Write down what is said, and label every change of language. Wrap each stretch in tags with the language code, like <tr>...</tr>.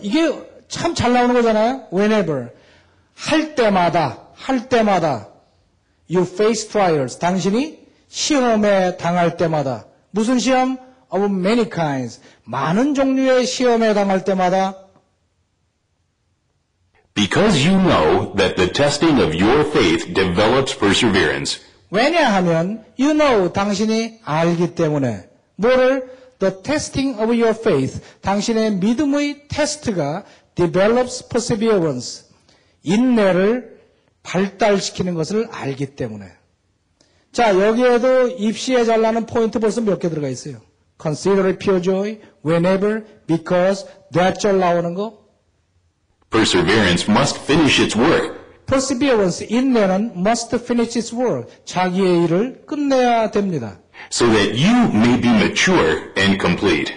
<ko>이게 참 잘 나오는 거잖아요. Whenever. 할 때마다. 할 때마다.</ko> <en>You face trials.</en> <ko>당신이 시험에 당할 때마다. 무슨 시험?</ko> <en>Of many kinds.</en> <ko>많은 종류의 시험에 당할 때마다.</ko> <en>Because you know that the testing of your faith develops perseverance.</en> <ko>왜냐하면,</ko> <en>you know,</en> <ko>당신이 알기 때문에. 뭐를?</ko> <en>The testing of your faith.</en> <ko>당신의 믿음의 테스트가</ko> <en>develops perseverance.</en> <ko>인내를 발달시키는 것을 알기 때문에. 자, 여기에도 입시에 잘 나는 포인트 벌써 몇 개 들어가 있어요.</ko> <en>Consider it pure joy, whenever, because, that's all</en> <ko>나오는 거.</ko> <en>Perseverance must finish its work. Perseverance, 인내는 must finish its work.</en> <ko>자기의 일을 끝내야 됩니다.</ko> <en>So that you may be mature and complete.</en>